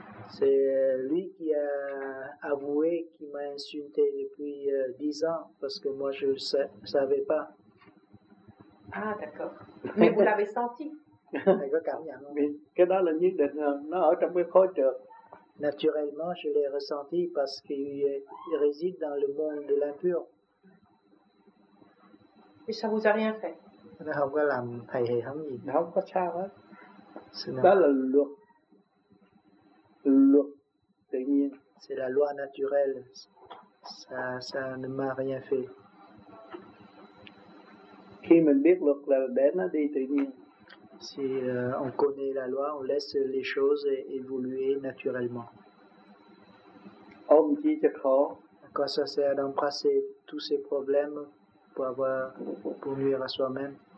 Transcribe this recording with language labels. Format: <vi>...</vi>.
<fr>C'est lui qui a avoué qu'il m'a insulté depuis 10 ans parce que moi je ne savais pas. Ah d'accord, mais vous l'avez senti. C'est là que c'est dans le monde, c'est dans le. Naturellement, je l'ai ressenti parce qu'il réside dans le monde de l'impur. Et ça vous a rien fait?</fr> <vi>Không có làm thầy hay không gì. Không có sao hết. Đó là luật. Luật tự nhiên.</vi> <fr>C'est la loi naturelle. Ça ne m'a rien fait.</fr> <vi>Khi mình biết luật là để nó đi tự nhiên.</vi> <fr>Si on connaît la loi, on laisse les choses évoluer naturellement. À quoi ça sert d'embrasser tous ces problèmes pour nuire à soi-même?</fr>